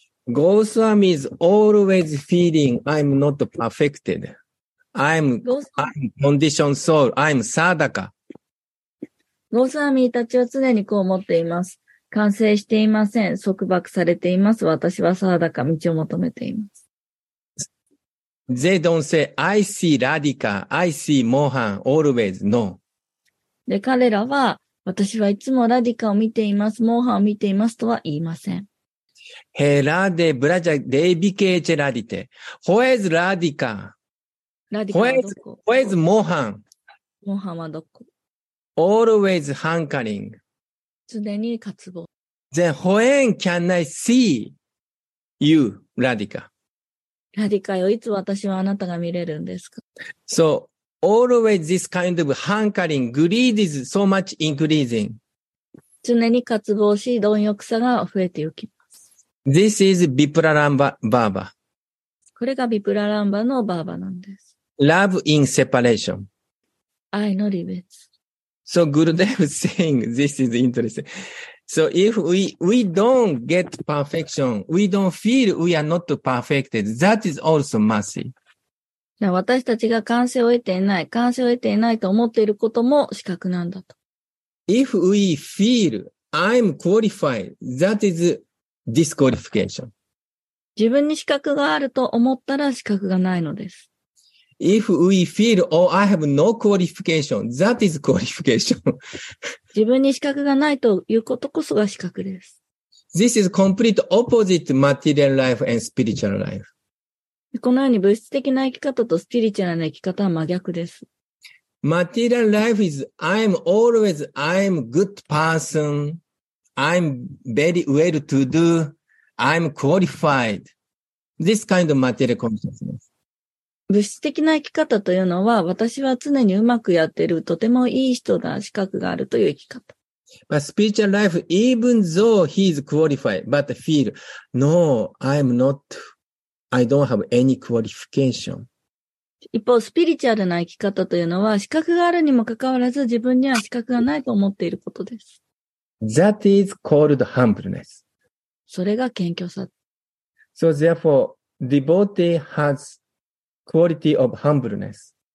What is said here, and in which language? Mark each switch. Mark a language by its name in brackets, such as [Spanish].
[English] Goswami is always feeling I'm not perfected. I'm conditioned soul. I'm sadaka. [Japanese] Goswami たちは常にこう思っています。完成していません。束縛されています。私はサーダカ、道を求めています。 [English] They don't say, I see radhika, I see mohan, always, no. [Japanese] で、彼らは、私はいつもラディカを見ています、モーハンを見ていますとは言いません。 [Sanskrit] ヘラデブラジャデイビケーチェラディテ。 [English] ホエズラディカ。 [Japanese] ラディカはどこ？ [English] ホエズモーハン。 [Japanese] モーハンはどこ？ [English] Always hankering. [Japanese] 常に渇望。 [English] Then, when can I see you, ラディカ？ [Japanese] ラディカよ、いつ私はあなたが見れるんですか？ [English] So, always this kind of hankering, greed is so much increasing. [Japanese] 常に渇望し、貪欲さが増えてゆき。 [English] This is Vipralambhava. [Japanese] これがビプラランバのバーバなんです。 [English] Love in separation. [Japanese] 愛の離別。 [English] So Gurudev is saying this is interesting. So if we don't get perfection, we don't feel we are not perfected, that is also mercy. [Japanese] 私たちが完成を得ていない、完成を得ていないと思っていることも資格なんだと。 [English] If we feel I'm qualified, that is disqualification. [Japanese] 自分に資格があると思ったら資格がないのです。 [English] If we feel, oh, I have no qualification, that is qualification. [Japanese] 自分に資格がないということこそが資格です。 [English] This is complete opposite material life and spiritual life. [Japanese] このように物質的な生き方とスピリチュアルな生き方は真逆です。 [English] Material life is, I am always, I am good person, I am very well to do, I am qualified. This kind of material consciousness. [Japanese] 物質的な生き方というのは、私は常にうまくやっている、とてもいい人だ、資格があるという生き方。 [English] But spiritual life, even though he is qualified, but feel, no, I am not, I don't have any qualification. [Japanese] 一方、スピリチュアルな生き方というのは、資格があるにもかかわらず、自分には資格がないと思っていることです。 [English] That is called humbleness. [Japanese] それが謙虚さ。 [English] So therefore, devotee has quality of humbleness.